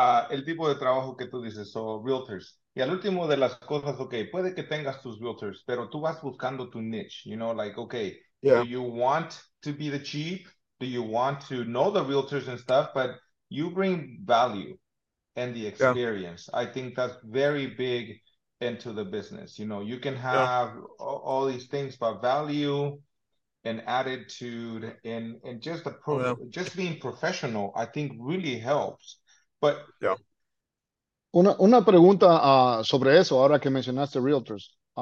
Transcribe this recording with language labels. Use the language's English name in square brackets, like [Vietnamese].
[Spanish] El tipo de trabajo que tú dices, so realtors. Y al último de las cosas, okay, puede que tengas tus realtors, pero tú vas buscando tu niche. [English] You know, like, okay, yeah. Do you want to be the cheap? Do you want to know the realtors and stuff? But you bring value and the experience. Yeah. I think that's very big into the business. You know, you can have all these things, but value and attitude and just the just being professional, I think really helps. But [Spanish] Una pregunta sobre eso, ahora que mencionaste realtors.